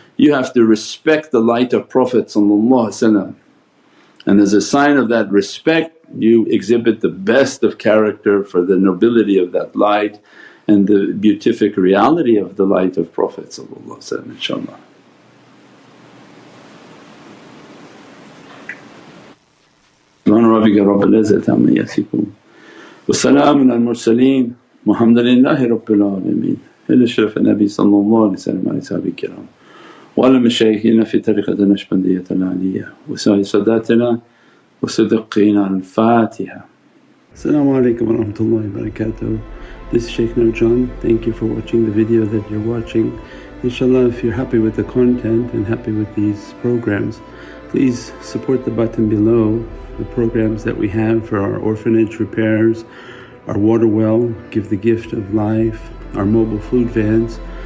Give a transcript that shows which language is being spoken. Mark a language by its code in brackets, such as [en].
[en] You have to respect the light of Prophet ﷺ. And as a sign of that respect, you exhibit the best of character for the nobility of that light and the beatific reality of the light of Prophet ﷺ, inshaAllah. [ar] سبحان ربك رب العزة عما يصفون وسلام على المرسلين والحمد لله رب العالمين إلى شرف النبي صلى الله عليه وسلم وعلى أصحابه الكرام وعلى مشايخنا في طريقة النشبندية العلية وسائر ساداتنا وصدقين الفاتحة. السلام عليكم ورحمة الله وبركاته. [en] This is Shaykh Nur John. Thank you for watching the video that you're watching. Inshallah, if you're happy with the content and happy with these programs, please support the button below. The programs that we have for our orphanage repairs, our water well, give the gift of life, our mobile food vans.